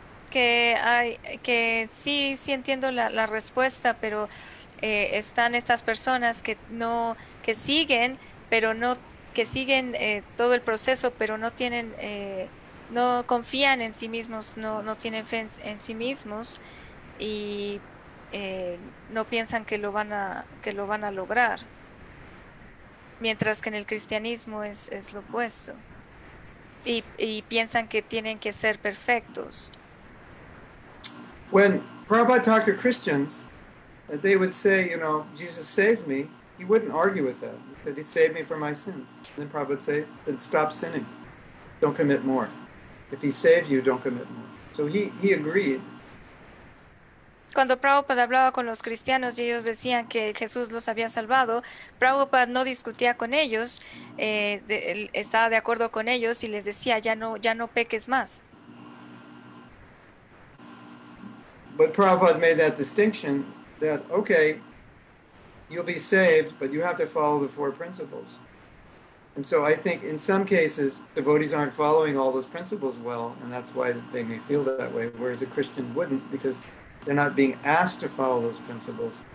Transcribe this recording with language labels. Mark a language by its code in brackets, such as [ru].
[es] Que sí entiendo la respuesta, pero están estas personas que siguen todo el proceso, pero no tienen no confían en sí mismos, no tienen fe en sí mismos, y no piensan que lo van a lograr, mientras que en el cristianismo es lo opuesto, y piensan que tienen que ser perfectos. [en] When Prabhupada talked to Christians, they would say, you know, Jesus saved me. He wouldn't argue with that. He said, he saved me from my sins. And then Prabhupada would say, then stop sinning. Don't commit more. If he saved you, don't commit more. So he agreed. [es] Cuando Prabhupada hablaba con los cristianos y ellos decían que Jesús los había salvado, Prabhupada no discutía con ellos, estaba de acuerdo con ellos y les decía, ya no peques más. [en] But Prabhupada made that distinction that, okay, you'll be saved, but you have to follow the four principles. And so I think in some cases, devotees aren't following all those principles well, and that's why they may feel that way, whereas a Christian wouldn't, because they're not being asked to follow those principles.